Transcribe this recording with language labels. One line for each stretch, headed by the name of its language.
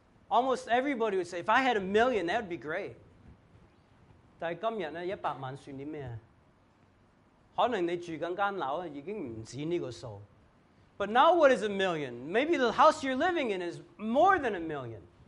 English: Almost everybody would say, if I had a million, that would be great.
Cantonese: 但是今天呢，100萬算啲咩？可能你住緊間樓已經唔止呢個數。
English: But now what is a million? Maybe the house you're living in is more than a million.